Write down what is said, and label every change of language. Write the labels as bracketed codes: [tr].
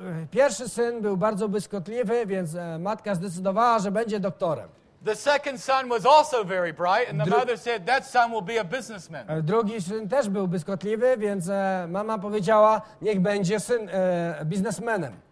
[pl] Pierwszy syn był bardzo błyskotliwy, więc matka zdecydowała, że będzie doktorem. [en] The second son was also very bright, and the mother said that son will be a businessman. [pl] Drugi syn też był błyskotliwy, więc mama powiedziała, niech będzie syn biznesmenem.